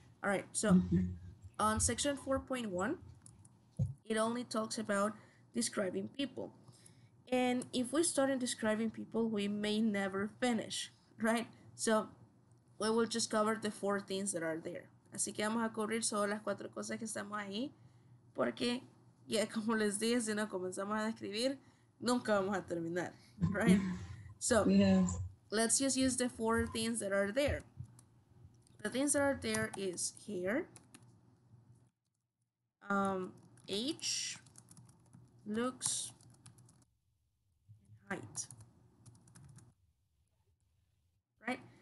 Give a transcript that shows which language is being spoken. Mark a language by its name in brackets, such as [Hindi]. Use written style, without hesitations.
[English] All right, so on section 4.1, it only talks about describing people. And if we start in describing people, we may never finish, right? So we will just cover the four things that are there. [Spanish] Así que vamos a cubrir solo las cuatro cosas que estamos ahí, porque ya como les dije, si no comenzamos a describir, nunca vamos a terminar, right? [English] So, yes. Let's just use the four things that are there. The things that are there is hair, age, looks, height, right?